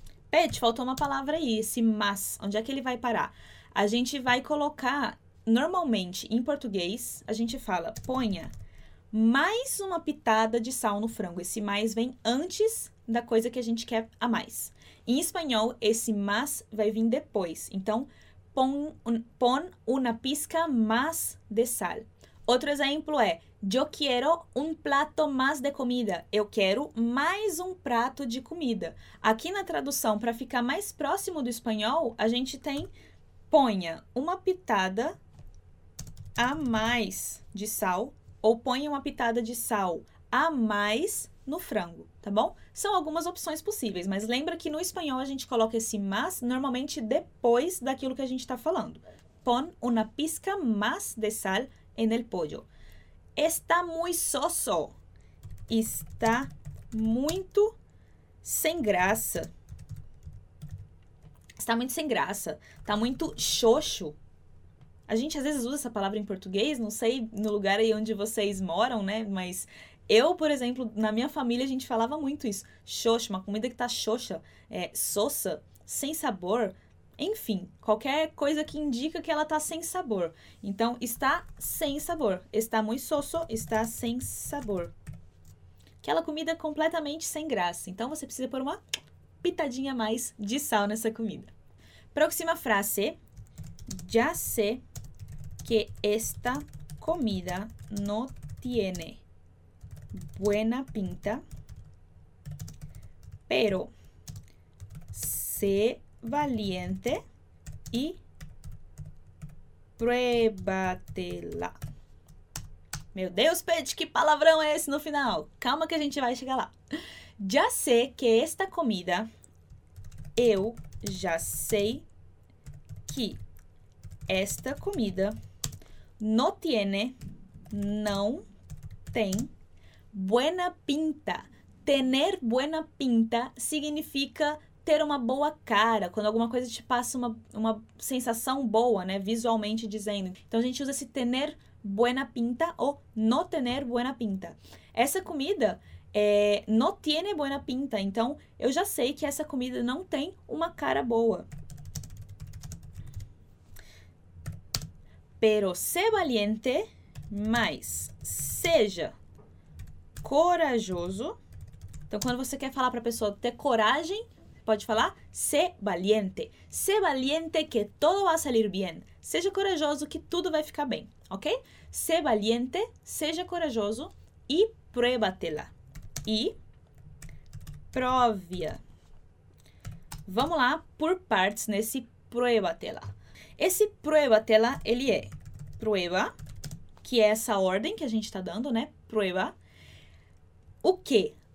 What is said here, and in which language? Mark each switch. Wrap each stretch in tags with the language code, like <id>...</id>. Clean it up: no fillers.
<pt>Pet, faltou uma palavra aí, esse mas. Onde é que ele vai parar? A gente vai colocar, normalmente, em português, a gente fala, ponha mais uma pitada de sal no frango. Esse mais vem antes da coisa que a gente quer a mais. Em espanhol, esse mas vai vir depois.</pt> <es>Então, pon una pizca más de sal. Outro exemplo é: yo quiero un plato más de comida.</es> <pt>Eu quero mais um prato de comida. Aqui na tradução, para ficar mais próximo do espanhol, a gente tem: ponha uma pitada a mais de sal. Ou ponha uma pitada de sal a mais no frango, tá bom? São algumas opções possíveis, mas lembra que no espanhol a gente coloca esse mas normalmente depois daquilo que a gente está falando.</pt> <es>Pon una pizca más de sal en el pollo. Está muy soso.</es> <pt>Está muito sem graça. Está muito sem graça. Está muito xoxo. A gente às vezes usa essa palavra em português, não sei no lugar aí onde vocês moram, né? Mas eu, por exemplo, na minha família a gente falava muito isso. Xoxo, uma comida que tá xoxa, soça, sem sabor. Enfim, qualquer coisa que indica que ela tá sem sabor. Então, está sem sabor. Está muito soso, está sem sabor. Aquela comida completamente sem graça. Então, você precisa pôr uma pitadinha a mais de sal nessa comida. Próxima frase. Já sei que</pt> <es>esta comida no tiene buena pinta, pero sé valiente y pruébatela.</es> <pt>Meu Deus, Pete, que palavrão é esse no final? Calma que a gente vai chegar lá. Já sei que esta comida, eu já sei que esta comida no tiene, não tem, buena pinta. Tener buena pinta significa ter uma boa cara, quando alguma coisa te passa uma sensação boa, né? Visualmente dizendo. Então a gente usa esse tener buena pinta ou no tener buena pinta. Essa comida é</pt> <es>no tiene buena pinta.</es> <pt>Então eu já sei que essa comida não tem uma cara boa.</pt> <es>Pero sé valiente,</es> <pt>mas seja corajoso. Então, quando você quer falar para a pessoa ter coragem, pode falar</pt> <es>sé valiente. Sé valiente que todo va a salir bien.</es> <pt>Seja corajoso que tudo vai ficar bem, ok?</pt> <es>Sé valiente,</es> <pt>seja corajoso e pruébatela. E prove-a. Vamos lá por partes nesse pruébatela. Esse pruébatela, ele é prueba, que é essa ordem que a gente está dando, né? Prueba. O que?</pt>